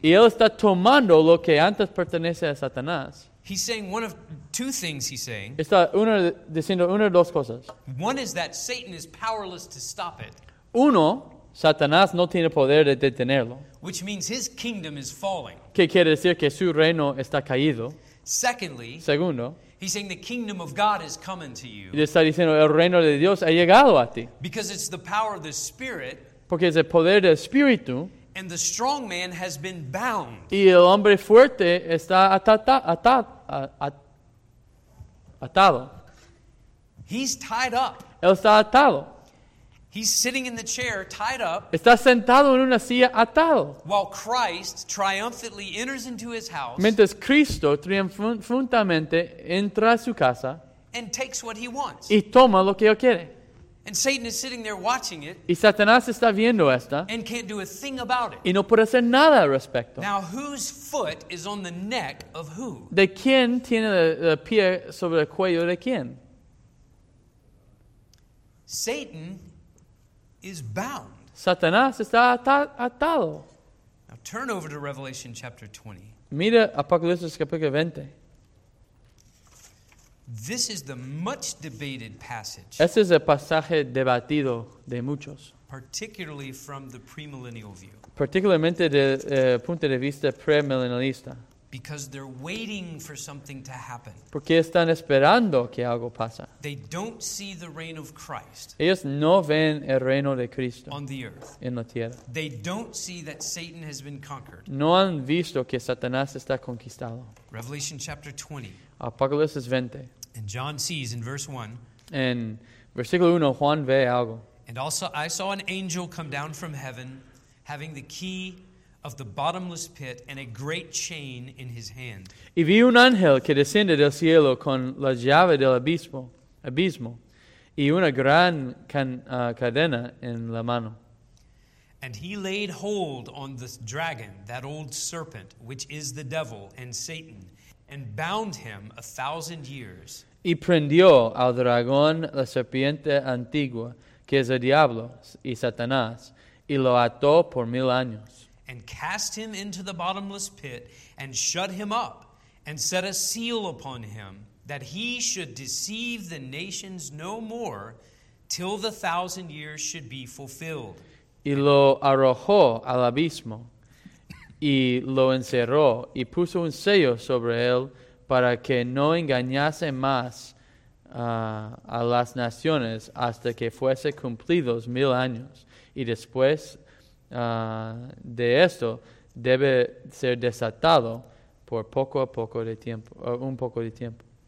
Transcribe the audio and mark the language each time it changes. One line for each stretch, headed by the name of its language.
Spanish: Y él está tomando lo que antes pertenece a Satanás.
English: He's saying one of two things he's saying.
Spanish: Está uno diciendo una de dos cosas.
English: One is that Satan is powerless to stop it.
Spanish: Uno, Satanás no tiene poder de detenerlo.
English: Which means his kingdom is falling.
Spanish: ¿Qué quiere decir? Que su reino está caído.
English: Secondly,
Spanish: segundo,
English: he's saying the kingdom of God has come unto you.
Spanish: Y está diciendo el reino de Dios ha llegado a ti.
English: Because it's the power of the Spirit.
Spanish: Porque es el poder del Espíritu.
English: And the strong man has been bound.
Spanish: Y el hombre fuerte está atado.
English: He's tied up.
Spanish: Él está atado.
English: He's sitting in the chair, tied up.
Spanish: Está sentado en una silla atado.
English: While Christ triumphantly enters into his house.
Spanish: Mientras Cristo triunfantemente entra a su casa.
English: And takes what he wants.
Spanish: Y toma lo que él quiere.
English: And Satan is sitting there watching it.
Spanish: Y Satanás está viendo esta.
English: And can't do a thing about it.
Spanish: Y no puede hacer nada al respecto.
English: Now whose foot is on the neck of who?
Spanish: ¿De quién tiene el pie sobre el cuello de quién?
English: Satan is bound.
Spanish: Satanás está atado.
English: Now turn over to Revelation chapter 20.
Spanish: Mira Apocalipsis capítulo 20.
English: This is the much debated passage.
Spanish: Este es el pasaje debatido de muchos.
English: Particularly from the premillennial view.
Spanish: Particularmente del punto de vista premillennialista.
English: Because they're waiting for something to happen.
Spanish: Porque están esperando que algo pasa.
English: They don't see the reign of Christ.
Spanish: Ellos no ven el reino de Cristo.
English: On the earth.
Spanish: En la tierra.
English: They don't see that Satan has been conquered.
Spanish: No han visto que Satanás está conquistado.
English: Revelation chapter 20.
Spanish: Apocalipsis 20.
English: And John sees in verse 1.
Spanish: En versículo 1, Juan ve algo.
English: And also I saw an angel come down from heaven, having the key of the bottomless pit and a great chain in his hand.
Spanish: Y vi un ángel que desciende del cielo con la llave del abismo y una gran cadena en la mano.
English: And he laid hold on the dragon, that old serpent, which is the devil and Satan, and bound him 1,000 years.
Spanish: Y prendió al dragón, la serpiente antigua, que es el diablo y Satanás, y lo ató 1,000 años.
English: And cast him into the bottomless pit, and shut him up, and set a seal upon him, that he should deceive the nations no more, till 1,000 years should be fulfilled.
Spanish: Y lo arrojó al abismo, y lo encerró, y puso un sello sobre él, para que no engañase más a las naciones, hasta que fuese cumplidos 1,000 años, y después de esto debe ser desatado por poco a poco de tiempo, un poco de tiempo.